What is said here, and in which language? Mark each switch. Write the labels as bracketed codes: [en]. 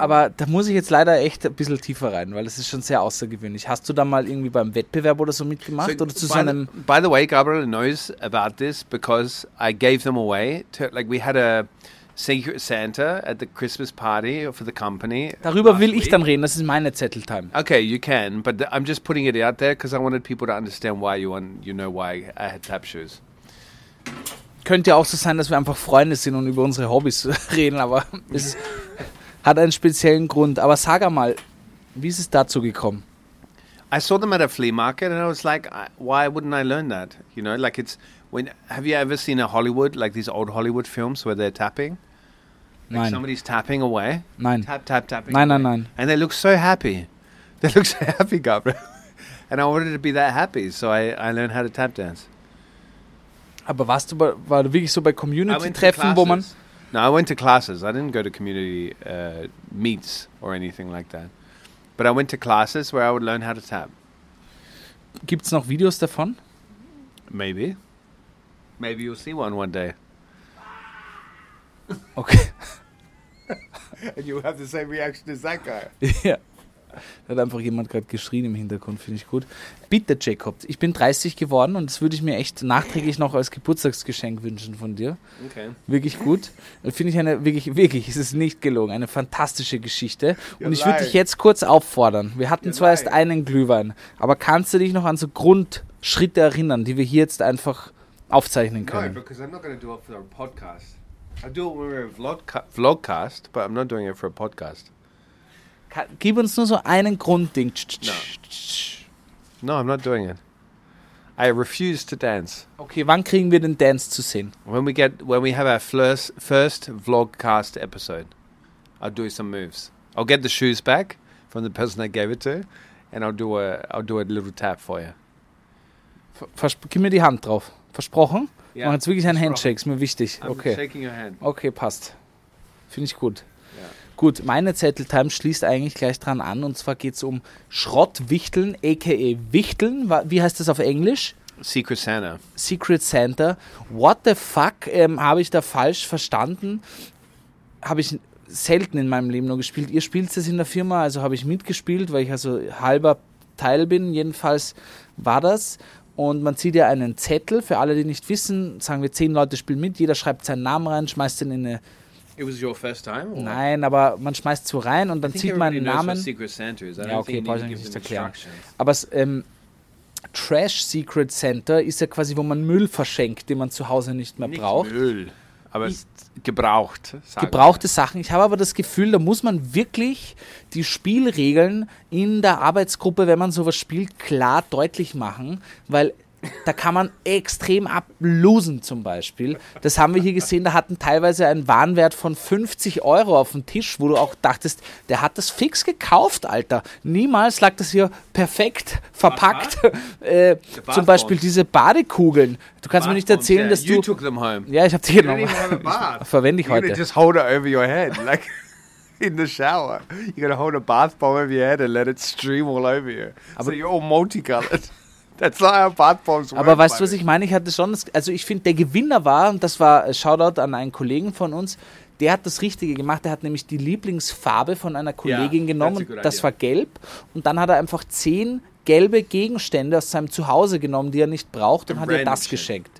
[de] Aber da muss ich jetzt leider echt ein bisschen tiefer rein, weil es ist schon sehr außergewöhnlich. Hast du da mal irgendwie beim Wettbewerb oder so mitgemacht so, oder zu seinem? [en] By the way, Gabriel knows about this because I gave them away. We had a Secret Santa at the Christmas party for the company. [de] Darüber will ich dann reden, das ist meine Zettel-Time. [en] Okay, you can, but I'm just putting it out there because I wanted people to understand why you know why I had tap shoes. [de] könnte ja auch so sein, dass wir einfach Freunde sind und über unsere Hobbys reden, aber es hat einen speziellen Grund. Aber sag einmal, wie ist es dazu gekommen? [en] I saw them at a flea market and I was like, why wouldn't I learn that? You know, like it's, when have you ever seen a Hollywood, like these old Hollywood films where they're tapping? Like [de] nein. [en] Somebody's tapping away. [de] Nein. [en] Tap, tap, tap. [de] Nein, away. Nein, nein. [en] And they look so happy. They look so happy, Gabriel. And I wanted to be that happy, so I learned how to tap dance. [de] Aber warst du, war du wirklich so bei Community-Treffen, wo man... [en] No, I went to classes. I didn't go to community meets or anything like that. But I went to classes where I would learn how to tap. [de] Gibt's noch Videos davon? [en] Maybe. Maybe you'll see one day. Okay. And you'll have the same reaction as that guy. Yeah. [de] Da hat einfach jemand gerade geschrien im Hintergrund, finde ich gut. Bitte, Jacob, ich bin 30 geworden und das würde ich mir echt nachträglich noch als Geburtstagsgeschenk wünschen von dir. [en] Okay. [de] Wirklich gut. Finde ich eine, wirklich, es ist nicht gelungen, eine fantastische Geschichte. Und ich würde dich jetzt kurz auffordern. Wir hatten zwar erst einen Glühwein, aber kannst du dich noch an so Grundschritte erinnern, die wir hier jetzt einfach aufzeichnen können? [en] No, because I'm not going to do it for a podcast. I do it when we're a vlogcast, but I'm not doing it for a podcast. [de] Gib uns nur so einen Grundding. [en] No. No, I'm not doing it. I refuse to dance. [de] Okay, wann kriegen wir den Dance zu sehen? [en] When we have our first vlogcast episode, I'll do some moves. I'll get the shoes back from the person I gave it to, and I'll do a little tap for you. [de] Gib mir die Hand drauf. Versprochen? [en] Yeah. [de] Mach jetzt wirklich einen Handshake, ist mir wichtig. [en] I'm okay. Shaking your hand. [de] Okay, passt. Finde ich gut. Gut, meine Zettel-Time schließt eigentlich gleich dran an. Und zwar geht es um Schrottwichteln, a.k.a. Wichteln. Wie heißt das auf Englisch? [en] Secret Santa. [de] Secret Santa. [en] What the fuck? [de] Habe ich da falsch verstanden? Habe ich selten in meinem Leben nur gespielt. Ihr spielt es in der Firma, also habe ich mitgespielt, weil ich also halber Teil bin. Jedenfalls war das. Und man zieht ja einen Zettel. Für alle, die nicht wissen, sagen wir, 10 Leute spielen mit. Jeder schreibt seinen Namen rein, schmeißt ihn in eine... [en] It was your first time? Or? [de] Nein, aber man schmeißt so rein und dann zieht man einen Namen. [en] I think everybody knows what Secret Santa is. I don't think you need to give them instructions. [de] Aber Trash Secret Santa ist ja quasi, wo man Müll verschenkt, den man zu Hause nicht mehr braucht. Nicht Müll, aber gebraucht. Gebrauchte Sachen. Ich habe aber das Gefühl, da muss man wirklich die Spielregeln in der Arbeitsgruppe, wenn man sowas spielt, klar deutlich machen, weil... Da kann man extrem ablosen zum Beispiel. Das haben wir hier gesehen, da hatten teilweise einen Warenwert von 50 Euro auf dem Tisch, wo du auch dachtest, der hat das fix gekauft, Alter. Niemals lag das hier perfekt verpackt. Zum Beispiel diese Badekugeln. Du kannst mir nicht erzählen, dass du... [en] You took them home. [de] Ja, ich hab die genommen. Verwende ich heute. [en] You just hold it over your head, like in the shower. You gotta hold a bath bomb over your head and let it stream all over you. [de] Aber [en] so you're all multicolored. That's not how bath bombs work. [de] Aber weißt du, was ich meine? Ich hatte schon das, also ich finde, der Gewinner war, und das war Shoutout an einen Kollegen von uns, der hat das Richtige gemacht. Der hat nämlich die Lieblingsfarbe von einer Kollegin genommen. Das war gelb. Und dann hat er einfach 10 gelbe Gegenstände aus seinem Zuhause genommen, die er nicht braucht, und hat ihr das geschenkt.